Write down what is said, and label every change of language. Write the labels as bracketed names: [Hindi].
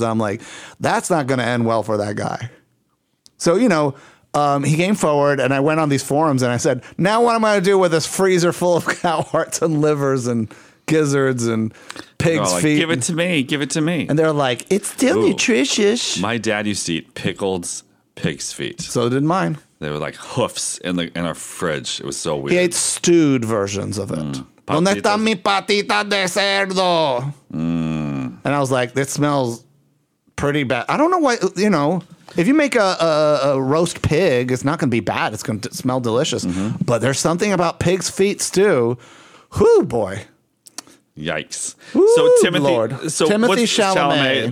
[English] I'm like, that's not going to end well for that guy. So, you know, he came forward and I went on these forums and I said, now what am I going to do with this freezer full of cow hearts and livers and gizzards and pig's feet? Give it to me. Give it to me. And they're like, it's still nutritious. My dad used to eat pickled pig's feet. So did mine. They were like hoofs in our fridge. It was so weird. He ate stewed versions of it. [Spanish] ¿Dónde está mi patita de cerdo? [English] And I was like, it smells pretty bad. I don't know why, you know, if you make a roast pig, it's not going to be bad. It's going to smell delicious. Mm-hmm. But there's something about pig's feet stew. Whoo, boy. Yikes. Ooh, so Timothy Chalamet.